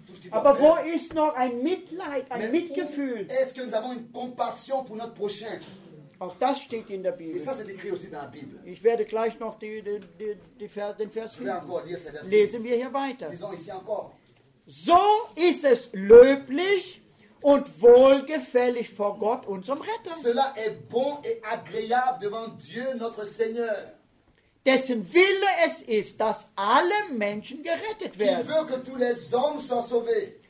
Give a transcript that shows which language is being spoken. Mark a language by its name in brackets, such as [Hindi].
[German] Aber wo ist noch ein Mitleid, ein Mitgefühl? [French] Est-ce que nous avons une compassion pour notre prochain? [German] Auch das steht in der Bibel. [French] Et ça, c'est écrit aussi dans la Bible. [German] Ich werde gleich noch den Vers finden. Lesen wir hier weiter. So ist es löblich und wohlgefällig vor Gott, unserem Retter. [French] Cela est bon et agréable devant Dieu, notre Seigneur. [German] Dessen Wille es ist, dass alle Menschen gerettet werden. [French] Qui veut que tous les hommes soient sauvés.